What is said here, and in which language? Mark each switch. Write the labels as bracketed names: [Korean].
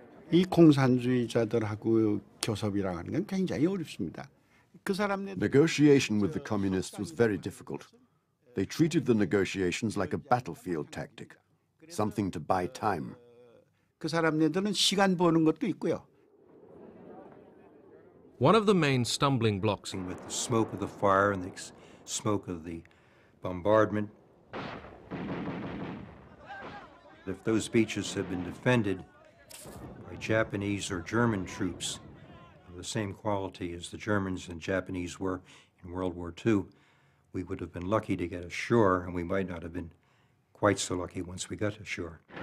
[Korean] 이 공산주의자들하고 교섭이라는 건 굉장히 어렵습니다. 그 사람들 [English] Negotiation with the communists was very difficult. They treated the negotiations like a battlefield tactic, something to buy time. [Korean] 그 사람들은 시간 버는 것도 있고요. [English] One of the main stumbling blocks with the smoke of the fire and the smoke of the bombardment. If those beaches had been defended by Japanese or German troops of the same quality as the Germans and Japanese were in World War II, we would have been lucky to get ashore, and we might not have been quite so lucky once we got ashore.